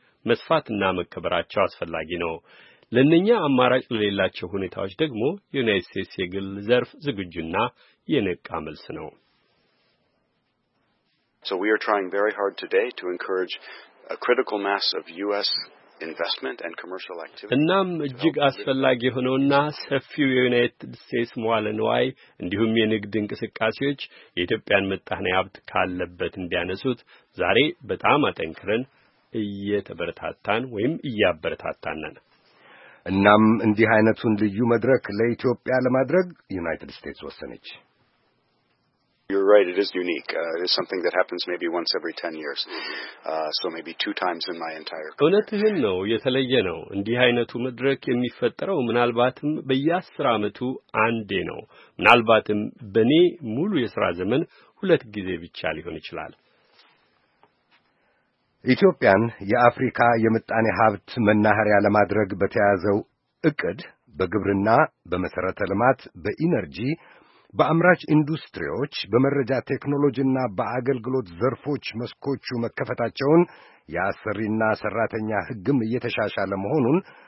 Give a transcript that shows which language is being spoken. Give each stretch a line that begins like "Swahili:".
Amharic: መስፋፋትና መከበራቸው አስፈላጊ ነው። ለነኛ አማራጭ ለሌላቸው ሁኔታዎች ደግሞ ዩናይትድ ስቴትስ የግል ዘርፍ ዝግጁና የነቃ መልስ ነው።
English: So we are trying very hard today to encourage a critical mass of US investment and commercial activity.
Amharic: እናም እጅግ አስፈላጊ ሆኖና ሰፊው የዩናይትድ ስቴትስ መዋለ ንዋይ እንዲሁም የንግድ እንቅስቃሴዎች የኢትዮጵያን መጣኔ ሀብት ካለበት እንዲያነሱት ዛሬ በጣም አጠንክረን እየተበረታታን ወይም እያበረታታን ነን። እናም እንዲህ አይነቱን ልዩ መድረክ ለኢትዮጵያ ለማድረግ ዩናይትድ ስቴትስ ወሰነች።
English: You're right, it is unique. It is something that happens maybe once every 10 years. So maybe 2 times in my entire career.
Amharic: እውነትህን ነው የተለየ ነው እንዲህ አይነቱ መድረክ የሚፈጠረው ምናልባትም በየአስር አመቱ አንዴ ነው ምናልባትም በኔ ሙሉ የሥራ ዘመን ሁለት ጊዜ ብቻ ሊሆን ይችላል። ኢትዮጵያን የአፍሪካ የመጣኔ ሀብት መናኸሪያ ለማድረግ በተያዘው እቅድ በግብርና በመሰረተ ልማት በኢነርጂ በአምራች ኢንዱስትሪዎች በመረጃ ቴክኖሎጂና በአገልግሎት ዘርፎች መስኮቹ መከፈታቸውን ያሰሪና ሰራተኛ ህግም እየተሻሻለ መሆኑን